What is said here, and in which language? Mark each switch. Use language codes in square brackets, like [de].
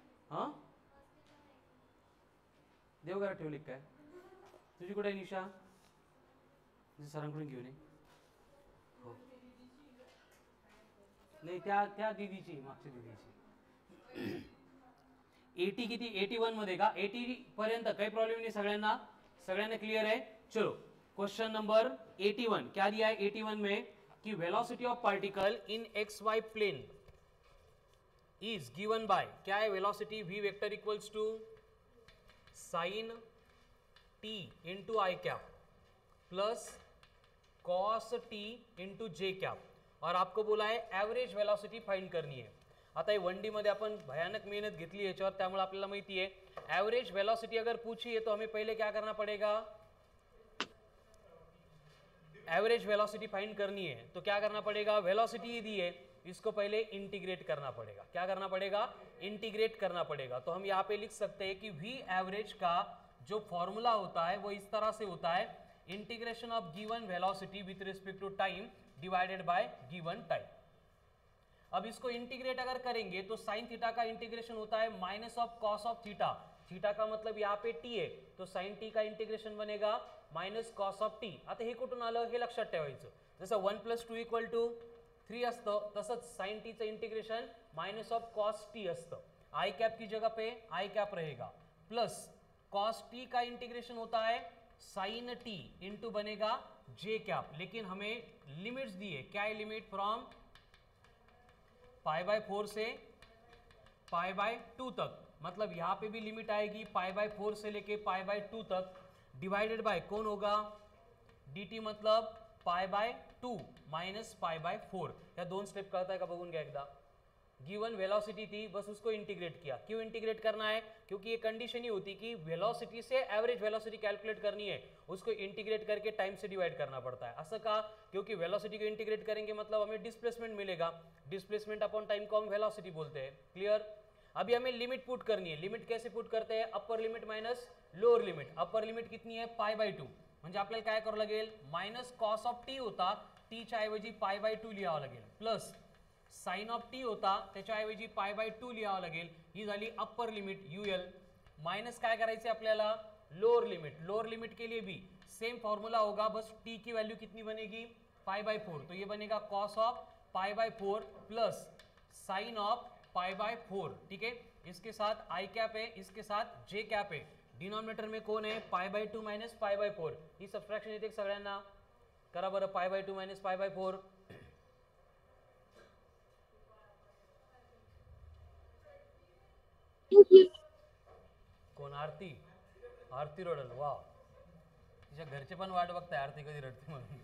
[mr] हां देवगार ठेवली काय तुझी? कुठे आहे निशा? सरांकडून घेऊन ये. हो नाही त्या त्या दीदीची मागच्या दीदीची. 80 किती? 81 मध्ये का? 80 पर्यंत काही प्रॉब्लेम नाही सगळ्यांना. सगळ्यांना क्लिअर आहे? [hi] चलो क्वेश्चन नंबर 81 क्या दिया है 81 में कि [en] velocity of particle in X Y plane is given by [hi] क्या है. [en] Velocity V vector equals to sine T into I cap plus cos T into J cap. [hi] और आपको बोला है एवरेज वेलोसिटी फाइंड करनी है. [mr] आता हे 1D मध्ये आपण भयानक मेहनत घेतली याच्यावर, त्यामुळे आपल्याला माहिती आहे [hi] एवरेज वेलॉसिटी अगर पूछी है तो हमें पहले क्या करना पड़ेगा? एवरेज वेलॉसिटी फाइंड करनी है तो क्या करना पड़ेगा? वेलॉसिटी ही दी है, इसको पहले इंटीग्रेट करना पड़ेगा. क्या करना पड़ेगा? इंटीग्रेट करना पड़ेगा. तो हम यहाँ पे लिख सकते हैं कि वी एवरेज का जो फॉर्मूला होता है वो इस तरह से होता है, [en] Integration of given velocity with respect to time divided by given time. [hi] अब इसको इंटीग्रेट अगर करेंगे तो साइन थीटा का इंटीग्रेशन होता है minus of cos of theta. Theta का मतलब यहाँ पे टी है, तो साइन टी का इंटीग्रेशन बनेगा माइनस कॉस ऑफ टी. [mr] आता हे कुठून आलं हे लक्षात ठेवायचं. जसं 1 + 2 इक्वल टू 3 असतं तसंच साइन टी चं integration minus of cos T असतं. [hi] आय कॅप की जगह पे आय कॅप रहेगा प्लस कॉस टी का इंटिग्रेशन होता है साइन टी इंटू बनेगा जे कैप. लेकिन हमें लिमिट्स दी है. क्या है लिमिट? फ्रॉम पाई बाय 4 से पाई बाय 2 तक. मतलब यहाँ पे भी लिमिट आएगी पाई बाय 4 से लेके पाई बाय 2 तक डिवाइडेड बाय कौन होगा? डी टी मतलब pi by 2 minus pi by 4. [mr] या दोन स्टेप करता है का बघून घ्या एकदा. [hi] गिवन वेलोसिटी थी बस उसको इंटीग्रेट किया. क्यों इंटीग्रेट करना है? क्योंकि ये कंडीशन ही होती कि वेलोसिटी से एवरेज वेलोसिटी कैलकुलेट करनी है, उसको इंटीग्रेट करके टाइम से डिवाइड करना पड़ता है. ऐसा कहा क्योंकि वेलोसिटी को इंटीग्रेट करेंगे मतलब हमें डिस्प्लेसमेंट मिलेगा. डिस्प्लेसमेंट अपॉन टाइम को हम वेलोसिटी बोलते हैं. क्लियर? अभी हमें लिमिट पुट करनी है. लिमिट कैसे पुट करते हैं? Upper limit minus lower limit. Upper limit कितनी है? Pi by 2. [mr] म्हणजे आपल्याला काय करावं लागेल? माइनस कॉस ऑफ टी होता टीच्या ऐवजी पाई बाय 2 लिहावं लागेल प्लस साइन ऑफ टी होता त्याच्या ऐवजी पाय बाय 2 लिहावं लागेल. ही झाली अप्पर लिमिट यूएल. मायनस काय करायचं आपल्याला? [en] Lower limit. [hi] लोअर लिमिट के लिए भी सेम फॉर्मुला होगा, बस टी की व्हॅल्यू कितनी बनेगी? Pi by 4. तो ये बनेगा cos of pi by 4 plus sign of pi by 4. ठीक है, इसके साथ आई कैप है, इसके साथ जे कैप है. डिनोमिनेटर में कौन है? Pi by 2 minus pi by 4. [mr] ही सबस्ट्रैक्शन येते सगळ्यांना करा बरं. Pi by 2 minus pi by 4 कोण? आरती. आरती रडल. वा, तिच्या घरचे पण वाट बघताय आरती कधी रडते म्हणून.